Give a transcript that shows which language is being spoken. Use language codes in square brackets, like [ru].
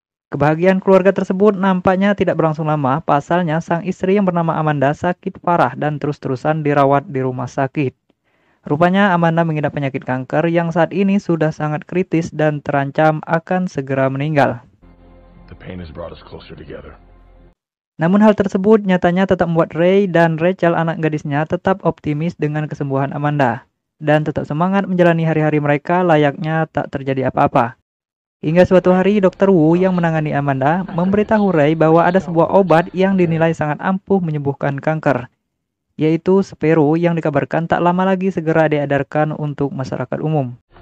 [id] Kebahagiaan keluarga tersebut nampaknya tidak berlangsung lama, pasalnya sang istri yang bernama Amanda sakit parah dan terus-terusan dirawat di rumah sakit. Rupanya Amanda mengidap penyakit kanker yang saat ini sudah sangat kritis dan terancam akan segera meninggal. [en] The pain has brought us closer together. [id] Namun hal tersebut nyatanya tetap membuat Ray dan Rachel, anak gadisnya, tetap optimis dengan kesembuhan Amanda dan tetap semangat menjalani hari-hari mereka layaknya tak terjadi apa-apa. Hingga suatu hari, Dr. Wu yang menangani Amanda memberitahu Ray bahwa ada sebuah obat yang dinilai sangat ampuh menyembuhkan kanker, yaitu Spero yang dikabarkan tak lama lagi segera diedarkan untuk masyarakat umum.